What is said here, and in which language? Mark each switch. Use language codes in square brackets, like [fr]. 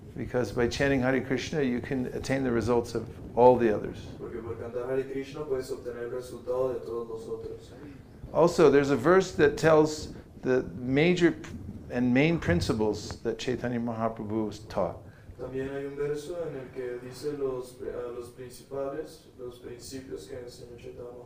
[en] Because by chanting Hare Krishna, you can attain the results of all the others. [es] Porque por cantar Hare Krishna puedes obtener el resultado de todos los otros. [en] Also, there's a verse that tells the major and main principles that Chaitanya Mahaprabhu was taught. [es] También hay un verso en el que dice los principales, los principios que enseñó Chaitanya